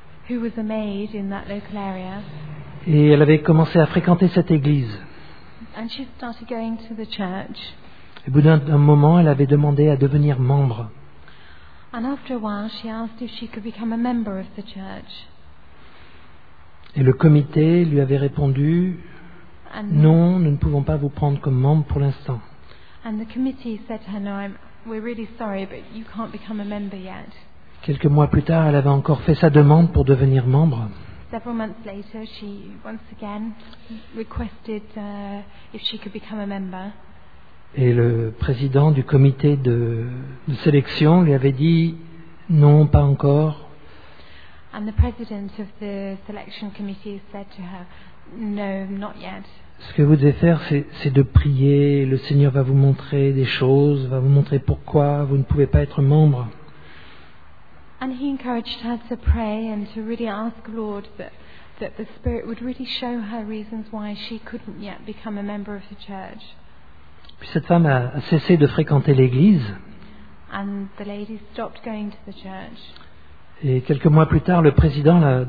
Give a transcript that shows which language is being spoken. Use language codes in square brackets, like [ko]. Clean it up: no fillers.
[en] Who was a maid in that local area. [fr] Et elle avait commencé à fréquenter cette église. [en] And she started going to the church. [fr] Et au bout d'un moment, elle avait demandé à devenir membre. [en] And after a while, she asked if she could become a member of the church. [fr] Et le comité lui avait répondu: non, nous ne pouvons pas vous prendre comme membre pour l'instant. [en] And the committee said to her, no, we're really sorry, but you can't become a member yet. [fr] Quelques mois plus tard, elle avait encore fait sa demande pour devenir membre. [en] Several months later, she once again requested if she could become a member. [fr] Et le président du comité de sélection lui avait dit: non, pas encore. [en] And the president of the selection committee said to her, no, not yet. [fr] Ce que vous devez faire, c'est de prier. Le Seigneur va vous montrer des choses, va vous montrer pourquoi vous ne pouvez pas être membre. [en] And he encouraged her to pray and to really ask the Lord that the Spirit would really show her reasons why she couldn't yet become a member of the church. [fr] Puis cette femme a cessé de fréquenter l'église. [en] And the lady stopped going to the church. [fr] Et quelques mois plus tard, le président